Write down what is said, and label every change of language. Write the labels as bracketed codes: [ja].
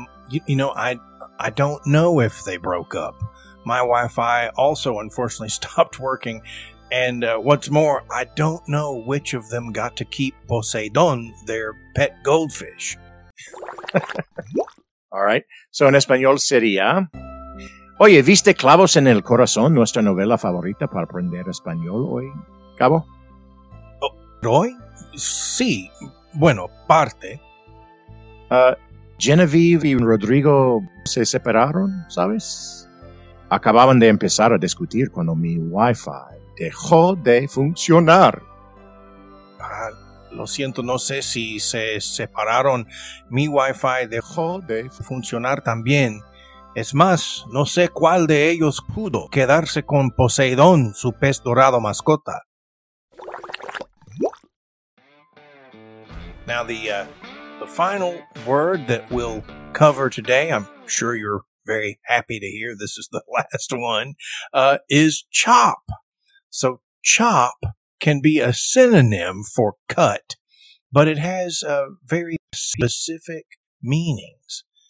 [en] You know, I don't know if they broke up, My Wi-Fi also unfortunately stopped working. And what's more, I don't know which of them got to keep Poseidon, their pet goldfish. All right. So in Espanol sería... [es] Oye, ¿viste Clavos en el Corazón, nuestra novela favorita para aprender español hoy, Cabo? ¿Hoy? Sí. Bueno, parte. Genevieve y Rodrigo se separaron, ¿sabes? Acababan de empezar a discutir cuando mi Wi-Fi dejó de funcionar. Lo siento, no sé si se separaron. Mi Wi-Fi dejó de funcionar también. Es más, no sé cuál de ellos pudo quedarse con Poseidón, su pez dorado mascota. [en] Now the final word that we'll cover today, I'm sure you're very happy to hear this is the last one, is chop. So chop can be a synonym for cut, but it has very specific meanings.